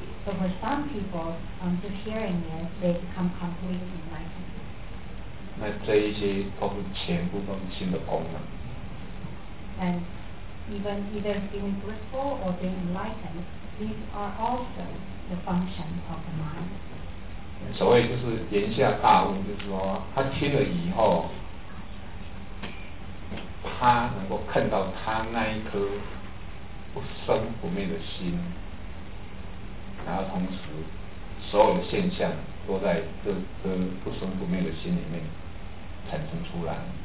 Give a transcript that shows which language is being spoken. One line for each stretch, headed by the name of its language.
English: So for some people, just hearing it, they become completely enlightened.
Chinese: 那这一些都是全部都是心的功能。
English: And even either being blissful or being enlightened, these are also the function of the mind.
Chinese: 所谓就是言下大悟，就是说他听了以后他能够看到他那一颗不生不灭的心，然后同时所有的现象都在这不生不灭的心里面产生出来。